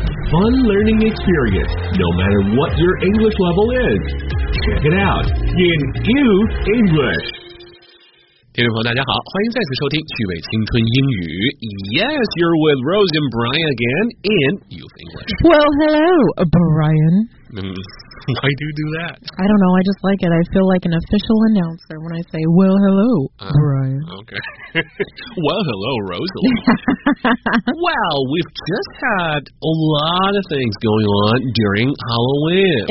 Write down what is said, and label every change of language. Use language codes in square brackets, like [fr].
[en] Fun learning experience, no matter what your English level is. Check it out in Use English. [zh] 听众朋友大家好，欢迎再次收听趣味青春英语。 [en] Yes, you're with Rose and Brian again in Youth English. Well, hello, Brian. Why do you do that? I don't know, I just like it. I feel like an official announcer when I say, well, hello, Brian. Okay. Well, hello, Rosalie. Well, we've just had a lot of things going on during Halloween.